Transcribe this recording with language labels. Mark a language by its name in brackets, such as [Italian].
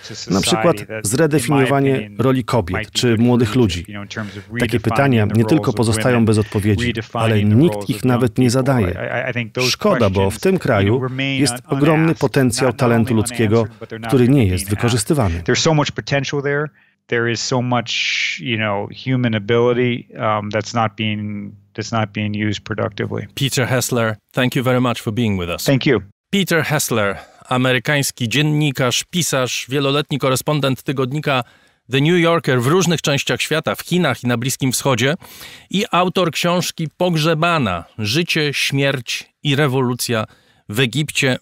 [Polish] Na przykład zredefiniowanie roli kobiet czy młodych ludzi. Takie pytania nie tylko pozostają bez odpowiedzi, ale nikt ich nawet nie zadaje. Szkoda, bo w tym kraju jest ogromny potencjał talentu ludzkiego, który nie jest wykorzystywany. [English] So much potential there. There is so much, human ability that's not being used productively. Peter Hessler, thank you very much for being with us. Thank you. [Polish] Peter Hessler, amerykański dziennikarz, pisarz, wieloletni korespondent tygodnika The New Yorker w różnych częściach świata, w Chinach i na Bliskim Wschodzie i autor książki Pogrzebana, Życie, Śmierć i Rewolucja w Egipcie.